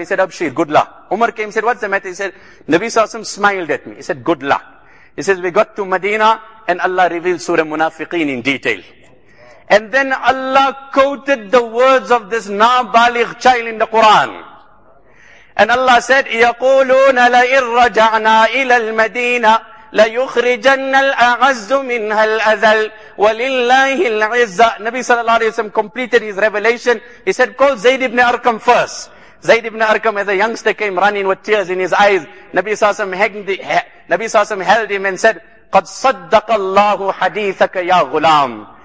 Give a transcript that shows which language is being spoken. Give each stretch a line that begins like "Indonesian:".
English: He said, Abshir, good luck. Umar came, said, what's the matter? He said, Nabi Sallallahu Alaihi Wasallam smiled at me. He said, good luck. He says, we got to Medina and Allah revealed Surah Munafiqeen in detail. And then Allah quoted the words of this nabaligh child in the Quran. And Allah said,
Arabic: يَقُولُونَ لَئِن رَجَعْنَا إِلَى الْمَدِينَ لَيُخْرِجَنَّ الْأَعَزُّ مِنْهَا الْأَذَلُ وَلِلَّهِ الْعِزَّةُ.
English: Nabi sallallahu alayhi wa sallam completed his revelation. He said, call Zayd ibn Arqam first. Zayd ibn Arqam, as a youngster, came running with tears in his eyes. Nabi sallallahu alayhi wa sallam held him and said,
Arabic: قَدْ صَدَّقَ اللَّهُ حَدِيثَكَ يَا غُلَامُ.